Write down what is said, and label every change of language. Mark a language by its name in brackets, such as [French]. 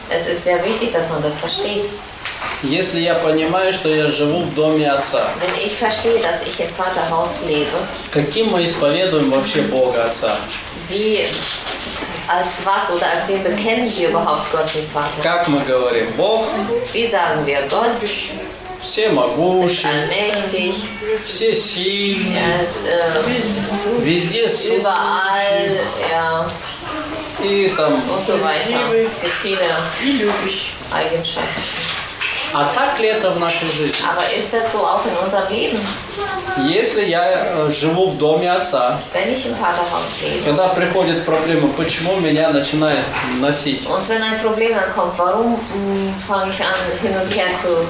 [German] Es ist sehr wichtig, dass man das versteht. [Russian] Если я понимаю, что я живу в доме Отца, [German] wenn ich verstehe, dass ich im Vaterhaus lebe, [Russian] каким мы исповедуем вообще Бога Отца? [German] Wie, als was, oder als wen bekennen wir überhaupt Gott, den Vater? [Russian] Как мы говорим? Бог? [German] Wie sagen wir Gott? [Russian] Всемогущий, [German] allmächtig, [Russian] всесильный, везде сущий, [German] überall, ja. [Russian] И там, [German] und so weiter. Viele Eigenschaften. [Russian] А так ли это в нашей жизни? [German] Aber ist das so auch in unserem Leben? [Russian] Если я живу в доме Отца, [German] wenn ich im Vaterhaus lebe, [Russian] когда приходит проблема, почему меня начинает носить? [German] Und wenn ein Problem dann kommt, warum fange ich an, hin und her zu